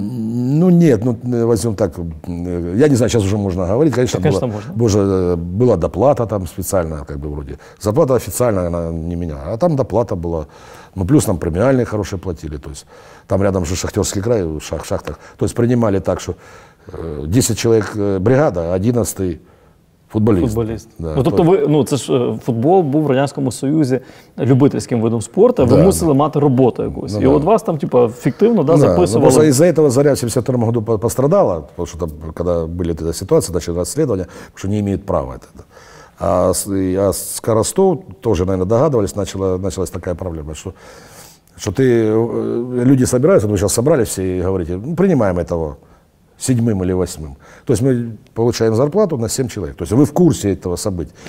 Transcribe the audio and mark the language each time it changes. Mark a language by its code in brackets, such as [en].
[ru] Ну нет, ну возьмем так, я не знаю, сейчас уже можно говорить, конечно, была доплата там специальная, как бы вроде, зарплата официальная, она не меня, а там доплата была, ну плюс нам премиальные хорошие платили, то есть там рядом же Шахтерский край, в шахтах, то есть принимали так, что 10 человек бригада, 11-й, футболіст. [uk] Да, ну, тобто ви, ну, це ж футбол був в Радянському Союзі любительським видом спорту, ви мусили мати роботу якусь. Ну, і от вас там, типу, фіктивно, да, записували. Ну, із-за цього Заря [ru] в 72-му году пострадала, [uk] тому що там, коли були ці ситуації, значить розслідування, що не мають права. [ru] А с Коростов тоже, наверное, догадывались, началась такая проблема, что ты, люди собираются, мы сейчас собрались все и говорите, ну, принимаем этого седьмым или восьмым. То есть мы получаем зарплату на 7 человек. То есть вы в курсе этого события.